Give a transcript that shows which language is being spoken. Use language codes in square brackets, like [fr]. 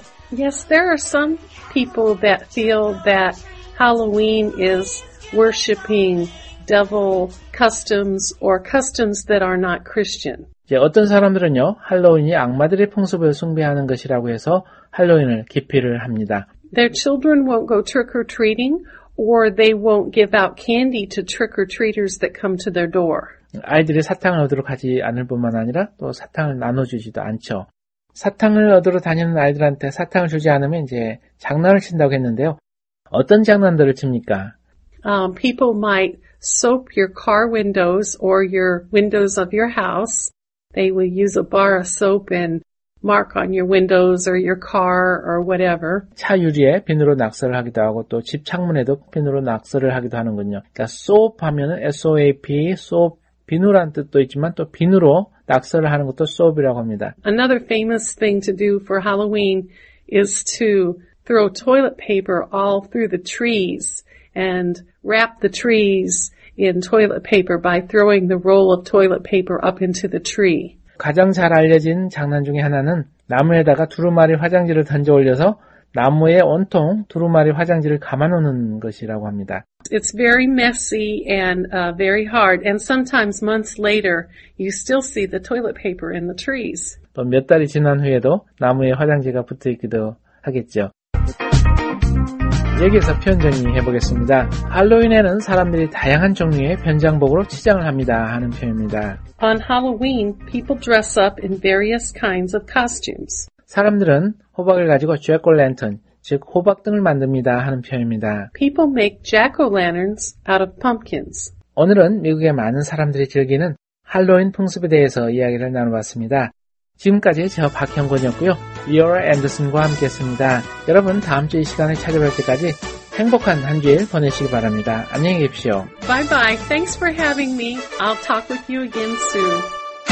[en] Yes, there are some people that feel that Halloween is worshiping devil customs or customs that are not Christian. [ko] 이제 어떤 사람들은요, 할로윈이 악마들의 풍습을 숭배하는 것이라고 해서 할로윈을 기피를 합니다. [en] Their children won't go trick-or-treating or they won't give out candy to trick-or-treaters that come to their door. [ko] 아이들이 사탕을 얻으러 가지 않을 뿐만 아니라 또 사탕을 나눠주지도 않죠. 사탕을 얻으러 다니는 아이들한테 사탕을 주지 않으면 이제 장난을 친다고 했는데요. 어떤 장난들을 칩니까? [en] People might soap your car windows or your windows of your house. They will use a bar of soap and mark on your windows or your car or whatever. [ko] 차 유리에 비누로 낙서를 하기도 하고 또 집 창문에도 비누로 낙서를 하기도 하는군요. 그러니까 soap 하면은 S-O-A-P, soap, 비누라는 뜻도 있지만 또 비누로 낙서를 하는 것도 수업이라고 합니다. [en] Another famous thing to do for Halloween is to throw toilet paper all through the trees and wrap the trees in toilet paper by throwing the roll of toilet paper up into the tree. [ko] 가장 잘 알려진 장난 중에 하나는 나무에다가 두루마리 화장지를 던져 올려서 나무에 온통 두루마리 화장지를 감아놓는 것이라고 합니다. [en] It's very messy and very hard. And sometimes months later, you still see the toilet paper in the trees. [ko] 또 몇 달이 지난 후에도 나무에 화장지가 붙어있기도 하겠죠. 여기에서 표현 정리해보겠습니다. 할로윈에는 사람들이 다양한 종류의 변장복으로 치장을 합니다 하는 표현입니다. [en] On Halloween, people dress up in various kinds of costumes. [ko] 사람들은 호박을 가지고 jack-o'-lantern, 즉 호박등을 만듭니다 하는 표현입니다. [en] People make jack-o'-lanterns out of pumpkins. [ko] 오늘은 미국의 많은 사람들이 즐기는 할로윈 풍습에 대해서 이야기를 나눠봤습니다. 지금까지 저 박형권이었고요. 리오라 앤더슨과 함께했습니다. 여러분 다음 주 이 시간에 찾아뵐 때까지 행복한 한 주일 보내시기 바랍니다. 안녕히 계십시오. [en] Bye-bye. Thanks for having me. I'll talk with you again soon.